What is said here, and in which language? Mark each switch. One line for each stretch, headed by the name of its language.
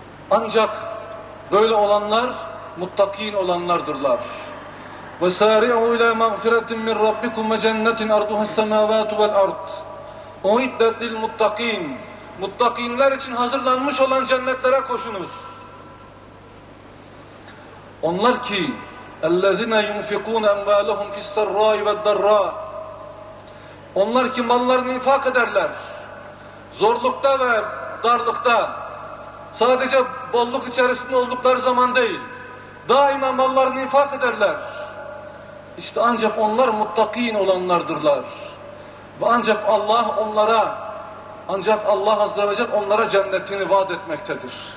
Turkish: Ancak böyle olanlar muttakîn olanlardırlar.
Arabic: وَسَارِعُوا اِلَى مَغْفِرَةٍ مِنْ رَبِّكُمْ وَجَنَّةٍ اَرْضُهَ السَّمَاوَاتُ وَالْاَرْضِ. اُعِدَّتْ لِلْمُتَّقِينَ.
Turkish: Muttakînler için hazırlanmış olan cennetlere koşunuz. Onlar ki
Arabic: اَلَّذِنَ يُنْفِقُونَ اَمْوَالَهُمْ فِي السَّرَّاءِ وَالدَّرَّاءِ.
Turkish: Onlar ki mallarını infak ederler. Zorlukta ve darlıkta, sadece bolluk içerisinde oldukları zaman değil, daima mallarını infak ederler. İşte ancak onlar muttakîn olanlardırlar. Ve ancak Allah onlara, ancak Allah Azze ve Celle onlara cennetini vaat etmektedir.